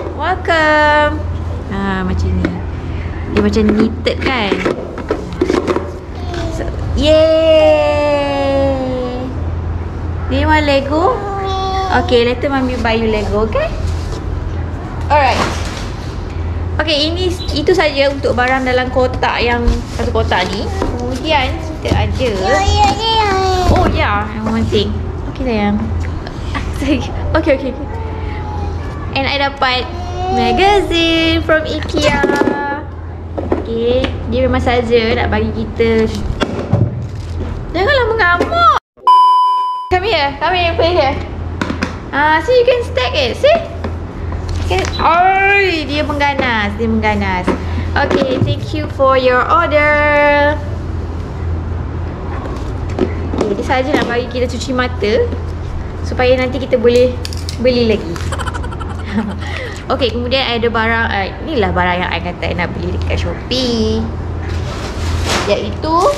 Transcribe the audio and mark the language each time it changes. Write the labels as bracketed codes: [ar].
[en] Welcome. [ms] Macam ni. Dia macam knitted kan. [en] Yay! Do you want Lego? Mommy. Okay, later mommy buy you Lego, okay? Alright. [ms] Okay, ini itu saja untuk barang dalam kotak yang satu kotak ni. Kemudian kita ada. [en] Oh yeah, one thing. Okay sayang. Okay, okay. And I dapat magazine from IKEA. Okay, [ms] dia memang saja nak bagi kita. Janganlah mengamuk. [en] Come here. Come here. Play here. See, you can stack it. See? Okay. [ms] Oh, dia mengganas. Dia mengganas. Okay. [en] Thank you for your order. [ms] Okay. Dia sahaja nak bagi kita cuci mata. Supaya nanti kita boleh beli lagi. Okay. Kemudian ada barang. Inilah barang yang I kata I nak beli dekat Shopee. Iaitu.